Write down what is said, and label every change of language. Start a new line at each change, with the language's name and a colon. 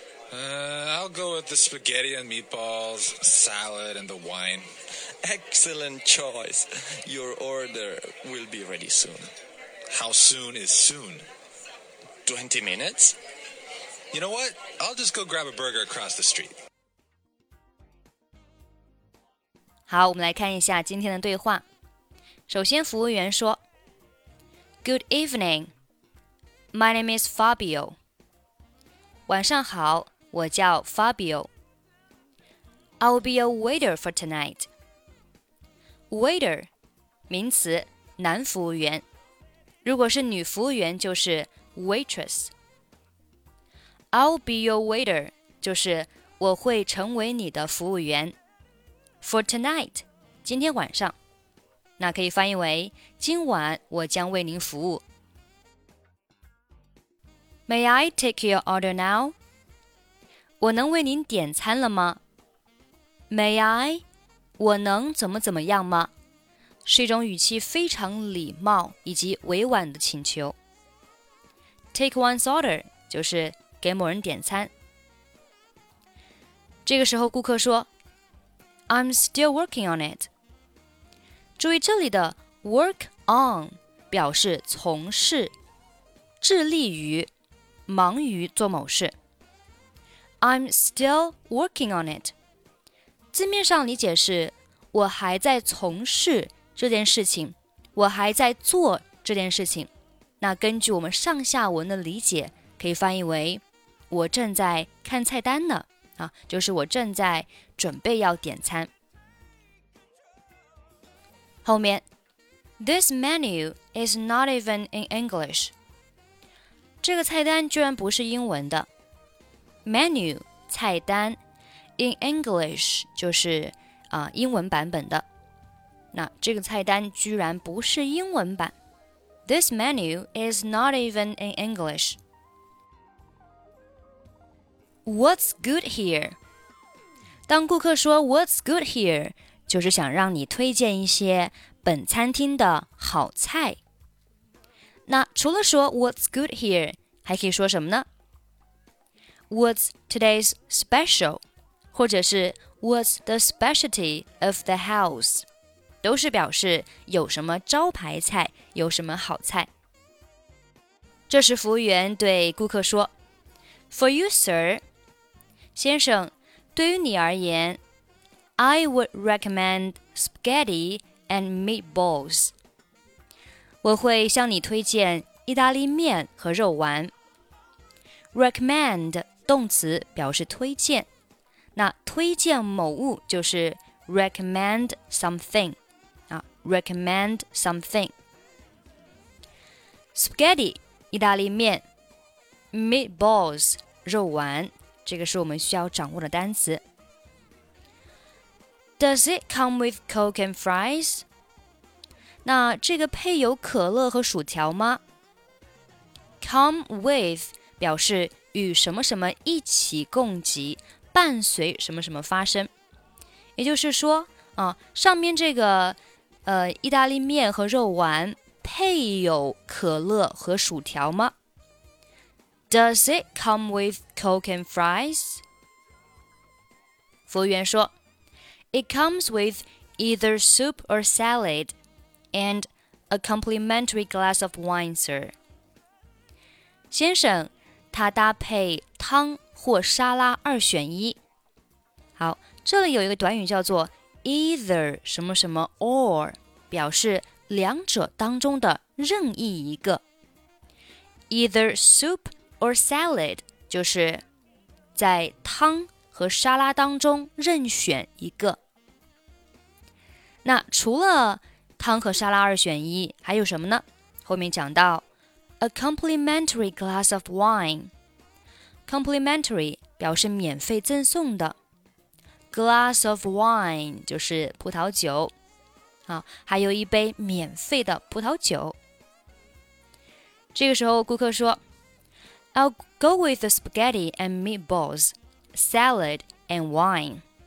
English: I'll go with the spaghetti and meatballs, salad, and the wine. Excellent choice. Your order will be ready soon. How soon is soon? 20 minutes. You know what? I'll just go grab a burger across the street.
Chinese: 好，我们来看一下今天的对话。首先，服务员说
English: Good evening. My name is Fabio.
Chinese: 晚上好。我叫 Fabio.
English: I'll be a waiter for tonight.
Chinese: Waiter, 名词，男服务员。如果是女服务员就是 waitress.
English: I'll be your waiter,
Chinese: 就是我会成为你的服务员。 For tonight, 今天晚上。那可以翻译为今晚我将为您服务。
English: May I take your order now?
Chinese: 我能为您点餐了吗 ?
English: May I?
Chinese: 我能怎么怎么样吗是一种语气非常礼貌以及委婉的请求。 Take one's order, 就是给某人点餐。这个时候顾客说 ,
English: I'm still working on it.
Chinese: 注意这里的 work on, 表示从事致力于忙于做某事。
English: I'm still working on it.
Chinese: 字面上理解是我还在从事这件事情，我还在做这件事情。那根据我们上下文的理解，可以翻译为我正在看菜单呢，啊，就是我正在准备要点餐。后面
English: This menu is not even in English.
Chinese: 这个菜单居然不是英文的。Menu, 菜单 in English, 就是、英文版本的。那这个菜单居然不是英文版。
English: This menu is not even in English. What's good here?
Chinese: 当顾客说
English: What's good here?
Chinese: 就是想让你推荐一些本餐厅的好菜。那除了说
English: What's good here?
Chinese: 还可以说什么呢
English: What's today's special?
Chinese: 或者是
English: What's the specialty of the house?
Chinese: 都是表示有什么招牌菜，有什么好菜。
English: 这时服务员对顾客说 For you, sir,
Chinese: 先生，对于你而言
English: I would recommend spaghetti and meatballs.
Chinese: 我会向你推荐意大利面和肉丸。 Recommend动词表示推荐，那推荐某物就是 recommend something 啊 ，recommend something。 Spaghetti 意大利面 ，meatballs 肉丸，这个是我们需要掌握的单词。
English: Does it come with Coke and fries？
Chinese: 那这个配有可乐和薯条吗？Come with 表示。与什么什么一起共给，伴随什么什么发生。也就是说，上面这个，意大利面和肉丸配有可乐和薯条吗 ？
English: Does it come with Coke and fries?
Chinese: 服务员说
English: ，It comes with either soup or salad, and a complimentary glass of wine, sir.
Chinese: 先生。它搭配汤或沙拉二选一。好，这里有一个短语叫做 either 什么什么 or， 表示两者当中的任意一个。
English: Either soup or salad
Chinese: 就是在汤和沙拉当中任选一个。那除了汤和沙拉二选一，还有什么呢？后面讲到
English: A complimentary glass of wine。
Chinese: Complimentary 表示免费赠送的。Glass of wine 就是葡萄酒，好，还有一杯免费的葡萄酒。这个时候顾客说
English: I'll go with the spaghetti and meatballs, salad and wine。